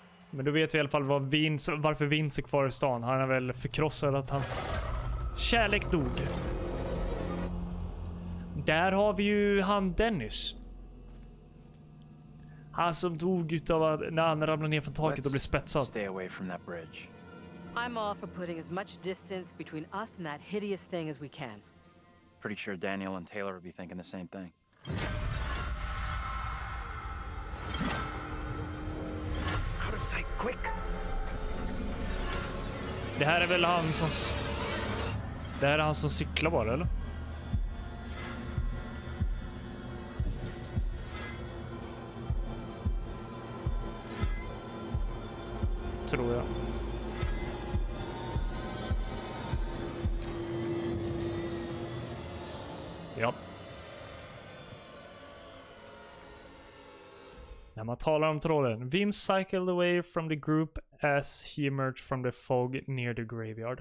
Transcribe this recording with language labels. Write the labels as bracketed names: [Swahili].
[Swedish] Men då vet vi i alla fall varför Vince är kvar i stan. Han är väl förkrossad att hans kärlek dog. Där har vi ju han Dennis. Han som dog utav att när han ramlade ner från taket och blev spetsad. [English] Stay away from that bridge. I'm all for putting as much distance between us and that hideous thing as we can. Pretty sure Daniel and Taylor would be thinking the same thing. Out of sight, quick. [Swedish] Det här är väl han som Det här är han som cyklar bara eller? Tror jag. Ja. När man talar om trollen. [English] Vince cycled away from the group as he emerged from the fog near the graveyard.